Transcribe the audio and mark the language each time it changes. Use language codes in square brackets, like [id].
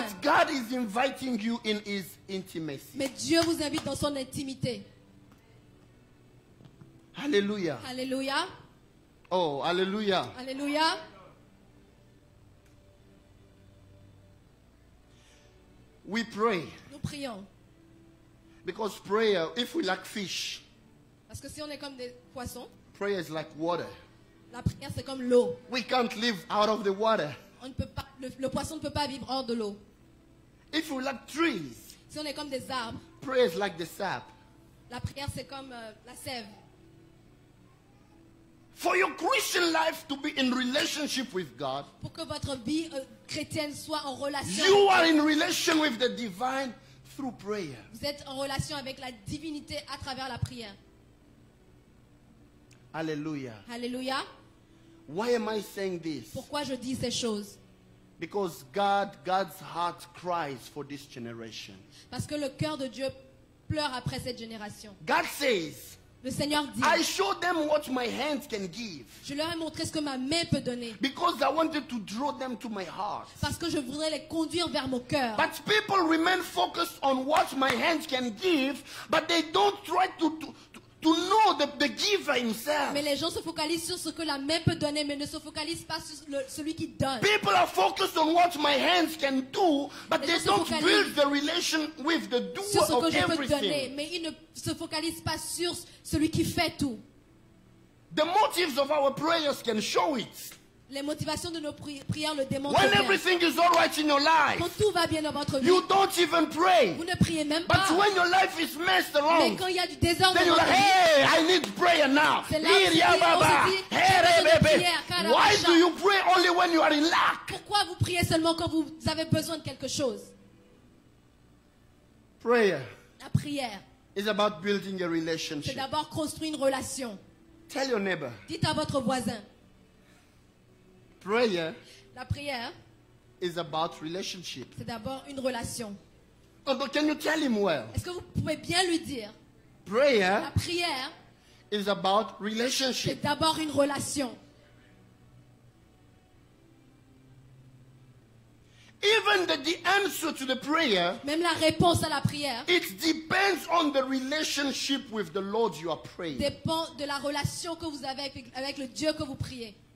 [en] But God is inviting you in His intimacy. [fr] Mais Dieu vous invite dans son intimité. Alléluia. Alléluia. Oh, alléluia. Alléluia. [en] We pray. [fr] Nous prions. [en] Because prayer, if we lack fish. [fr] Parce que si on est comme des poissons. [en] Prayer is like water. [fr] La prière c'est comme l'eau. [en] We can't live out of the water. [fr] On ne peut pas le poisson ne peut pas vivre hors de l'eau. [en] If we lack trees. [fr] Si on est comme des arbres. [en] Prayer is like the sap. [fr] La prière c'est comme la sève. [en] For your Christian life to be in relationship with God, [fr] pour que votre vie chrétienne soit en relation, [en] you are in relation with the divine through prayer. [fr] Vous êtes en relation avec la divinité à travers la prière. Alléluia. Alléluia. [en] Why am I saying this? [fr] Pourquoi je dis ces choses? [en] Because God's heart cries for this generation. [fr] Parce que le cœur de Dieu pleure après cette génération. [en] God says. [fr] Le Seigneur dit, [en] I showed them what my hands can give. [fr] Je leur ai montré ce que ma main peut donner. [en] Because I wanted to draw them to my heart. [fr] Parce que je voudrais les conduire vers mon cœur. [en] But people remain focused on what my hands can give, but they don't try to know the giver himself. [fr] Mais les gens se focalisent sur ce que la main peut donner, mais ne se focalisent pas sur celui qui donne. [en] People are focused on what my hands can do, but they don't build the relation with the doer of everything. [fr] Sur ce que je peux donner, mais ils ne se focalisent pas sur celui qui fait tout. [en] The motives of our prayers can show it. [fr] Les motivations de nos prières le démontrent. [en] When everything is all right in your life, [fr] quand tout va bien dans votre vie, [en] you don't even pray. [fr] Vous ne priez même [en] but [fr] pas. [en] But when your life is messed around, [fr] mais quand il y a du désordre, [en] then you're like, hey, I need prayer now. Liria baba, here baby. Why do you pray only when you are in lack? [fr] Pourquoi vous priez seulement quand vous avez besoin de quelque chose? [en] Prayer. [fr] La prière. [en] Is about building a relationship. [fr] C'est d'abord construire une relation. [en] Tell your neighbor. [fr] Dites à votre voisin. [en] Prayer [fr] la prière [en] is about relationship. [fr] C'est d'abord une relation. [en] Oh, but can you tell him well? [fr] Est-ce que vous pouvez bien lui dire? [en] Prayer [fr] la prière [en] is about relationship. [fr] C'est d'abord une relation. [en] even the answer to the prayer, [fr] même la réponse à la prière, [en] it depends on the relationship with the Lord you are praying. [fr] Dépend de la relation que vous avez avec le Dieu que vous priez.